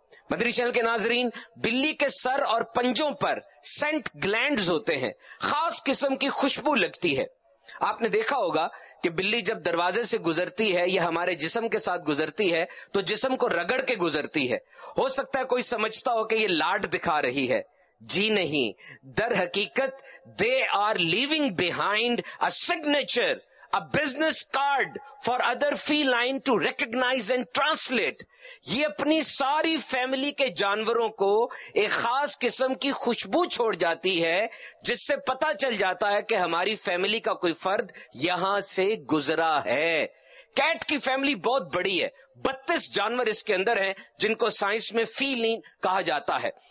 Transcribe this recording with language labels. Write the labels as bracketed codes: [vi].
[ur] مدری چینل کے ناظرین بلی کے سر اور پنجوں پر سینٹ گلینڈز ہوتے ہیں. خاص قسم کی خوشبو لگتی ہے. آپ نے دیکھا ہوگا کہ بلی جب دروازے سے گزرتی ہے یا ہمارے جسم کے ساتھ گزرتی ہے تو جسم کو رگڑ کے گزرتی ہے. ہو سکتا ہے کوئی سمجھتا ہو کہ یہ لاڈ دکھا رہی ہے. جی نہیں, در حقیقت [en] They are living behind a signature a business card for other feline to recognise and translate. [ur] یہ اپنی ساری فیملی کے جانوروں کو ایک خاص قسم کی خوشبو چھوڑ جاتی ہے جس سے پتا چل جاتا ہے کہ ہماری فیملی کا کوئی فرد یہاں سے گزرا ہے. کیٹ کی فیملی بہت بڑی ہے, 32 جانور اس کے اندر ہیں جن کو سائنس میں فیلین کہا جاتا ہے.